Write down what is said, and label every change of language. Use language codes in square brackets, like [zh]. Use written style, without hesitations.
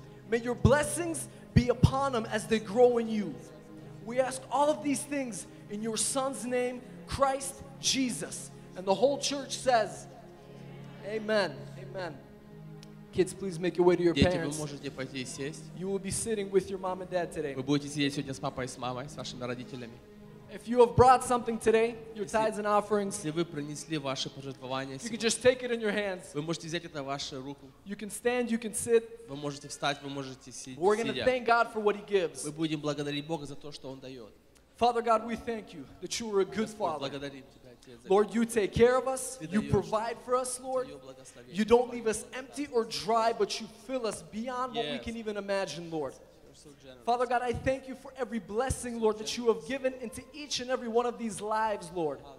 [en] May your blessings be upon them as they grow in you. We ask all of these things in your Son's name, Christ Jesus. And the whole church says, amen, amen. Kids, please make your way to your [ru] Дети, [en] parents. [ru] Вы можете пойти и сесть. [en] You will be sitting with your mom and dad today. [ru] Вы будете сидеть сегодня с папой и с мамой, с вашими родителями. [en] If you have brought something today, your tithes and offerings, [ru] если вы принесли ваши пожертвования, [en] you can just take it in your hands. [ru] Вы можете взять это в вашу руку. [en] You can stand, you can sit. [ru] Вы можете встать, вы можете сидеть. [en] We're going to thank God for what He gives. [ru] Мы будем благодарить Бога за то, что Он дает. [en] Father God, we thank you that you are a good [ru] Господь, [en] Father. [ru] Благодарим тебя. [en] Lord, you take care of us. You provide for us, Lord. You don't leave us empty or dry, but you fill us beyond what we can even imagine, Lord. Father God, I thank you for every blessing, Lord, that you have given into each and every one of these lives, Lord.